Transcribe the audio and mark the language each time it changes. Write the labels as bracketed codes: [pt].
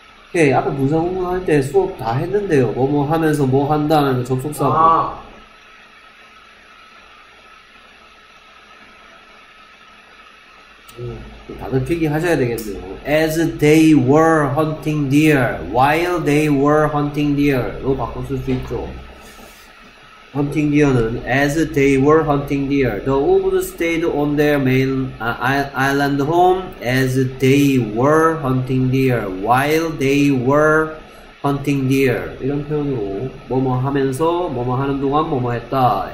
[ko] 오케이 앞에 분사구문 할 때 수업 다 했는데요. 뭐뭐 하면서 뭐 한다는 그 접속사고 아. 다들 필기하셔야 되겠네요. [en] As they were hunting deer, while they were hunting deer로 [ko] 바꿀 수 있죠. [en] Hunting deer는 as they were hunting deer, the wolves stayed on their main island home as they were hunting deer, while they were hunting deer. [ko] 이런 표현으로 뭐뭐 하면서 뭐뭐 하는 동안 뭐뭐 했다.